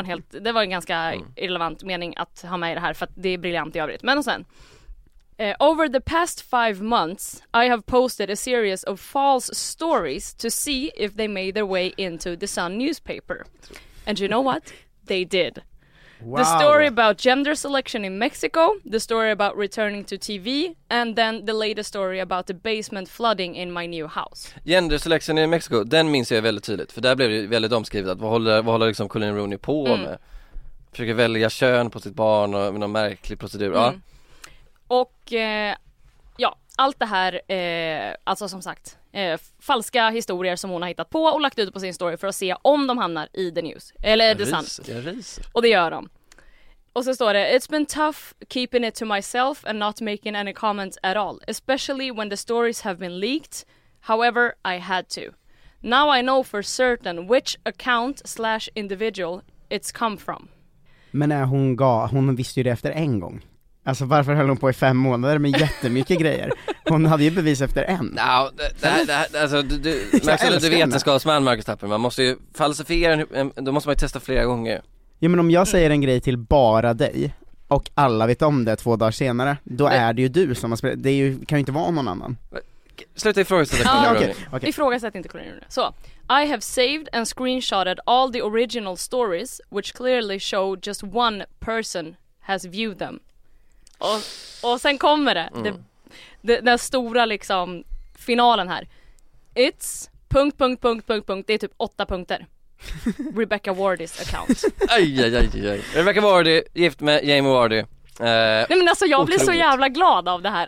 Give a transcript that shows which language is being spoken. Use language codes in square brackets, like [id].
[sv] Det var en ganska irrelevant mening att ha med i det här för att det är briljant i övrigt. Men och sen. [en] Over the past 5 months I have posted a series of false stories to see if they made their way into the Sun newspaper. And you know what? They did. Wow. The story about gender selection in Mexico, the story about returning to TV, and then the latest story about the basement flooding in my new house. Gender selection in Mexico, [sv] den minns jag väldigt tydligt, för där blev det väldigt omskrivet att vad håller liksom Colleen Rooney på med? Försöker välja kön på sitt barn och med någon märklig procedur. Mm. Och allt det här, alltså som sagt, falska historier som hon har hittat på och lagt ut på sin story för att se om de hamnar i The News. Eller är det sant? Och det gör de. Och så står det, [en] it's been tough keeping it to myself and not making any comments at all. Especially when the stories have been leaked. However, I had to. Now I know for certain which account / individual it's come from. [sv] Men när hon visste ju det efter en gång. Alltså varför höll hon på i 5 månader med jättemycket grejer? Hon hade ju bevis efter en. Du vet en skadsmann, Marcus Tappen. Man måste ju falsifiera, då måste man ju testa flera gånger. Ja, men om jag säger en grej till bara dig och alla vet om det 2 dagar senare, då är det ju du som har spelat. Det är ju, kan ju inte vara någon annan. Sluta ifrågasätta Colleen Rooney. [en] Okay. [sv] Ifrågasätt inte Colleen Rooney. [en] Så, I have saved and screenshotted all the original stories which clearly show just one person has viewed them. [sv] Och sen kommer det. Den stora liksom finalen här. It's ... Det är typ 8 punkter. Rebecca Wardys account. Aj. Rebecca Wardy, gift med Jamie Wardy. Nej, men alltså jag blir så jävla glad av det här.